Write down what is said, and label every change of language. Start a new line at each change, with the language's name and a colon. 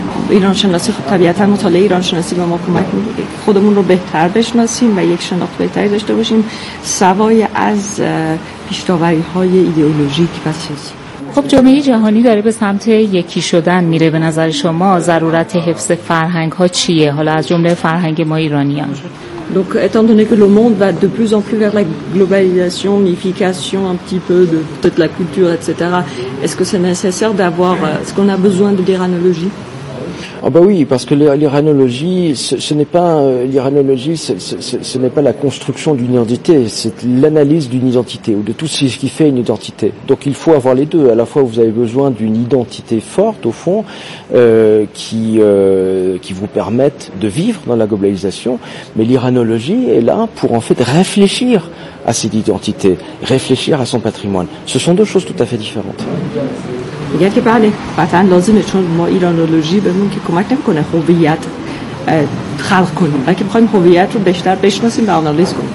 Persian: ایران شناسی خب طبیعتا مطالعه ایران شناسی به ما کمک میده خودمون رو بهتر بشناسیم و یک شناخت بهتری داشته باشیم سوای از پیشداوری های ایدئولوژیک و سیاسی. خب جامعه جهانی داره به سمت یکی شدن میره، به نظر شما ضرورت حفظ فرهنگ ها چیه، حالا از جمله فرهنگ ما ایرانیان؟
French: Donc étant donné que le monde va de plus en plus vers la globalisation, unification un petit peu de peut-être la culture etc, est-ce que c'est nécessaire d'avoir ce qu'on a besoin de l'iranologie? Ah bah oui, parce que l'iranologie, ce n'est pas la construction d'une identité, c'est l'analyse d'une identité ou de tout ce qui fait une identité. Donc il faut avoir les deux. À la fois, vous avez besoin d'une identité forte au fond qui vous permette de vivre dans la globalisation, mais l'iranologie est là pour en fait réfléchir à cette identité, réfléchir à son patrimoine. Ce sont deux choses tout à fait différentes.
Persian: میگن که بله قطعا لازمه، چون ما ایرانولوژی بهمون که کمک نمیکنه هویت خلق کنیم، بلکه میخوایم هویت رو بیشتر بشناسیم و آنالیز کنیم.